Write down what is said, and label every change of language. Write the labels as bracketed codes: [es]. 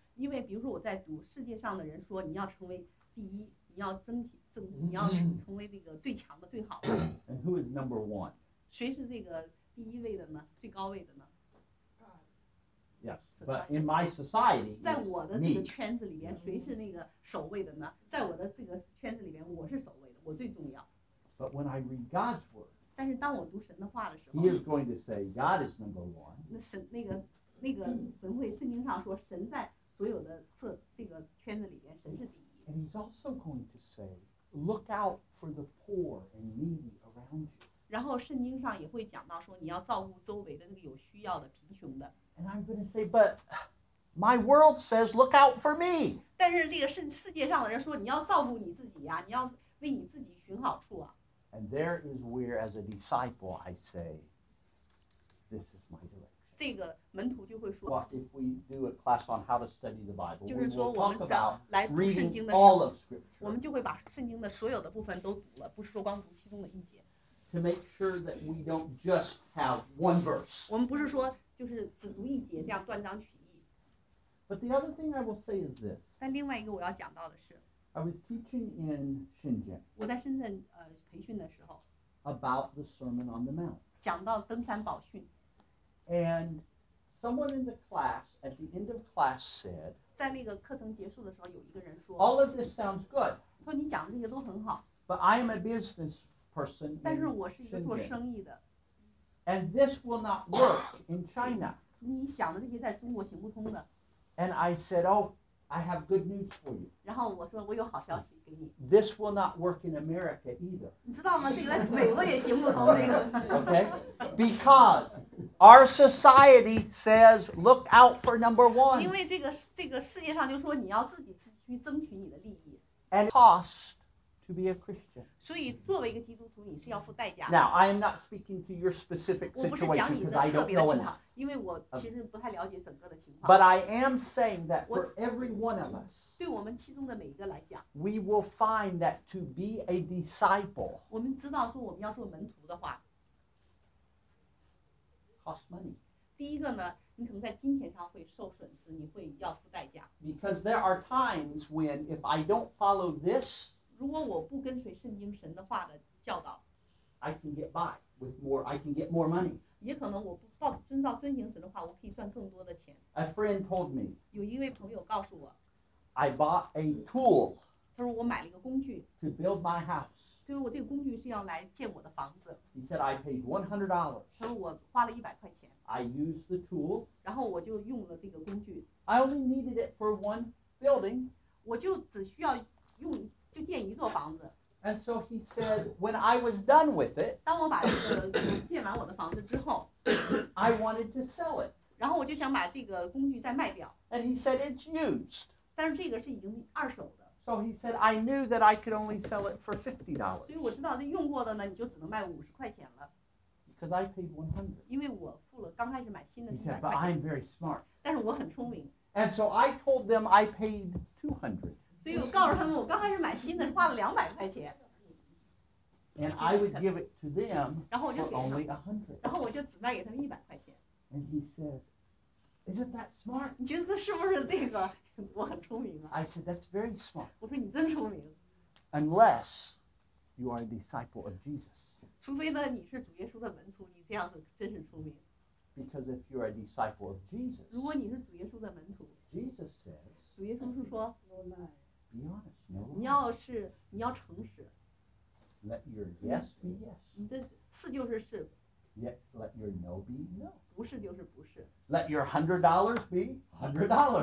[zh] 因为比如说我在读世界上的人说，你要成为第一，你要争，你要成为这个最强的、最好的。 [en] And who is number one? [zh] 谁是这个第一位的呢？最高位的呢？ [en] Yes, but in my society, it's me. [zh] 在我的这个圈子里边，谁是那个首位的呢？在我的这个圈子里边，我是首位的，我最重要。 [en] But when I read God's word, [zh] 但是当我读神的话的时候 [en] ，He is going to say God is number one. [zh] 那神那个神会圣经上说，神在所有的这个圈子里边，神是第一。 [en] And He's also going to say, look out for the poor and needy around you. [zh] 然后圣经上也会讲到说，你要照顾周围的那个有需要的、贫穷的。 [en] And I'm going to say, but my world says, look out for me. [zh] 但是这个是世界上的人说，你要照顾你自己呀，你要为你自己寻好处啊。 [en] And there is where, as a disciple, I say, this is my direction. [zh] 这个门徒就会说。 [en] Well, if we do a class on how to study the Bible, [zh] 就是说我们讲来读圣经的时候，我们就会把圣经的所有的部分都读了，不是说光读其中的一节。 [en] To make sure that we don't just have one verse. [zh] 我们不是说。就是只读一节，这样断章取义。 [en] But the other thing I will say is this. [zh] 但另外一个我要讲到的是。 [en] I was teaching in Shenzhen. [zh] 我在深圳培训的时候。 [en] About the Sermon on the Mount. [zh] 讲到登山宝训。 [en] And someone in the class at the end of class said. [zh] 在那个课程结束的时候，有一个人说。 [en] All of this sounds good. [zh] 说你讲的这些都很好。 [en] But I am a business person. [zh] 但是我是一个做生意的。 [en] And this will not work in China. [zh] 你想的这些在中国行不通的。 [en] And I said, oh, I have good news for you. [zh] 然后我说我有好消息给你。 [en] This will not work in America either. [zh] 你知道吗？这个在美国也行不通这个。 [en] Okay, because our society says, look out for number one. [zh] 因为这个世界上就说你要自己去争取你的利益。 [en] And cost. To be a Christian. [zh] 所以作为一个基督徒，你是要付代价。 [en] Now I am not speaking to your specific situation because I don't know enough. [zh] 因为我其实不太了解整个的情况。 [en] But I am saying that for every one of us, [zh] 对我们其中的每一个来讲 [en] we will find that to be a disciple, [zh] 我们知道说我们要做门徒的话 [en] cost money. [zh] 第一个呢，你可能在金钱上会受损失，你会要付代价。 [en] Because there are times when if I don't follow this. [zh] 如果我不跟随圣经神的话的教导 [en] ，I can get by with more. I can get more money. [zh] 也可能我不遵照遵行神的话，我可以赚更多的钱。 [en] A friend told me. [zh] 有一位朋友告诉我 [en] ，I bought a tool. [zh] 他说我买了一个工具。 [en] To build my house. [zh] 他说我这个工具是要来建我的房子。 [en] He said I paid $100. [zh] 他说我花了100块钱。 [en] I used the tool. [zh] 然后我就用了这个工具。 [en] I only needed it for one building. [zh] 我就只需要用。就建一座房子。 [en] And so he said, when I was done with it, [zh] 当我把这个建完我的房子之后 [en] ，I wanted to sell it. [zh] 然后我就想把这个工具再卖掉。 [en] And he said it's used. [zh] 但是这个是已经二手的。 [en] So he said, I knew that I could only sell it for $50. [zh] 所以我知道这用过的呢，你就只能卖五十块钱了。 [en] Because I paid $100. [zh] 因为我付了刚开始买新的 [en] $100. He said, but I'm very smart. [zh] 但是我很聪明。 [en] And so I told them I paid $200. [zh] 所以我告诉他们，我刚开始买新的花了两百块钱。 [en] And I would give it to them for only $100. [zh] 然后我就只卖给他们一百块钱。 [en] And he said, isn't that smart? [zh] 你觉得这是不是这个？我很聪明啊。 [en] I said, that's very smart. [zh] 我说你真聪明。 [en] Unless you are a disciple of Jesus. [zh] 除非呢，你是主耶稣的门徒，你这样子真是聪明。 [en] Because if you are a disciple of Jesus. [zh] 如果你是主耶稣的门徒。 [en] Jesus says. [zh] 主耶稣是说。 [en] Be honest, no lie. [zh] 你要诚实。 [en] Let your yes be yes. [zh] 你的是就是是。 [en] Yet let your no be no. [zh] 不是就是不是。 [en] Let your $100 be $100.